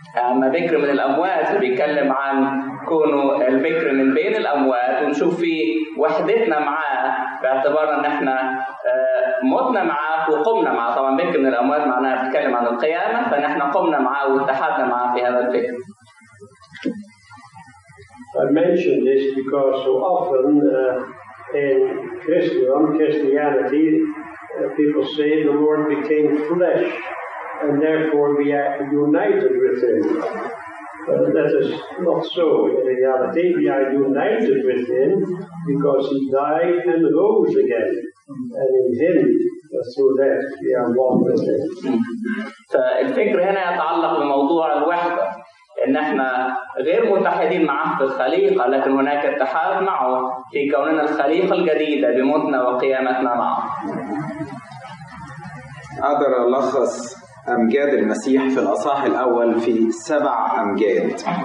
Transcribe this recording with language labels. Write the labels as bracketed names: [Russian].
[Arabic] أما بكر من الأموات بيتكلم عن كونه البكر من بين الأموات ونشوف فيه وحدتنا معاه باعتبار أن احنا متنا معاه وقمنا معاه. طبعا بكر من الأموات معناها بيتكلم عن القيامة، فنحن قمنا معاه واتحدنا معاه في هذا الفكر. [English] I mention this because so often in Christianity, people say the Lord became flesh and therefore we are united with Him. But that is not so in reality. We are united with Him because He died and rose again. And in Him, through that, we are one with Him. So the idea here is related to the topic of unity. [Arabic] إن إحنا غير متحدين معه في الخليقة، لكن هناك اتحاد معه في كوننا الخليقة الجديدة بموتنا وقيامتنا معه. أقدر ألخص أمجاد المسيح في الأصحاح الأول في 7 أمجاد.